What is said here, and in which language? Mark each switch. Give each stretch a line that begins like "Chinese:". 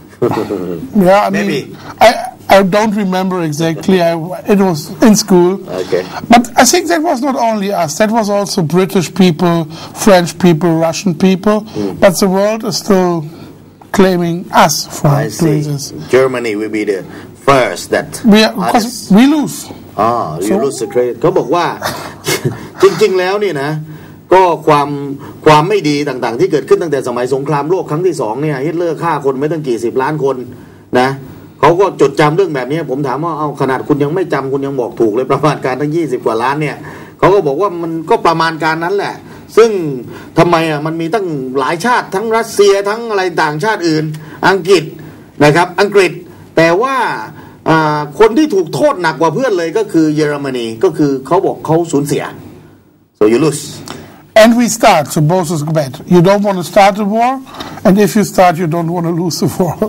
English: yeah I mean, maybe I don't remember exactly it was in school okay but I think that was not only us that was also British people French people Russian people but the world is still claiming us for I see this. Germany will be the first that we are, because we lose you lose the credit
Thai: เขาบอกว่าจริงๆแล้วนี่นะก็ความไม่ดีต่างๆที่เกิดขึ้นตั้งแต่สมัยสงครามโลกครั้งที่สองเนี่ยฮิตเลอร์ฆ่าคนไม่ตั้งกี่สิบล้านคนนะเขาก็จดจำเรื่องแบบนี้ผมถามว่าเอาขนาดคุณยังไม่จำคุณยังบอกถูกเลยประมาณการทั้ง20กว่าล้านเนี่ยเขาก็บอกว่ามันก็ประมาณการนั้นแหละ ซึ่งทำไมอ่ะมันมีตั้งหลายชาติทั้งรัสเซียทั้งอะไรต่างชาติอื่นอังกฤษนะครับอังกฤษแต่ว่าคนที่ถูกโทษหนักกว่าเพื่อนเลยก็คือเยอรมนีก็คือเขาบอกเขาสูญเสีย
English: So you lose. And we start, so both is bad. You don't want to start a war, and if you start, you don't want to lose the war.